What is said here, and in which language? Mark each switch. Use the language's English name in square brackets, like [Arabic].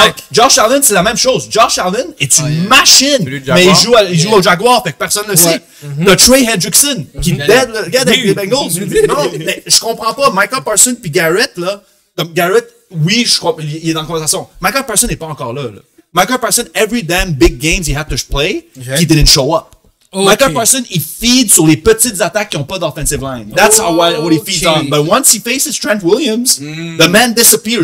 [French] Josh Allen, c'est la même chose. Josh Allen est une machine. Mais il joue au Jaguar, fait que personne ne le sait. T'as Trey Hendrickson, qui dead, le gars avec les Bengals. Non, mais je comprends pas. Micah Parsons puis Garrett, là. Comme Garrett, oui, je crois, il est dans la conversation. Micah Parsons n'est pas encore là, là. [English] Micah Parsons, every damn big games he had to play, he didn't show up. Okay. [French] Michael Parsons, il feed sur les petites attaques qui n'ont pas d'offensive line. [English] That's what he feeds on. But once he faces Trent Williams, the man disappears.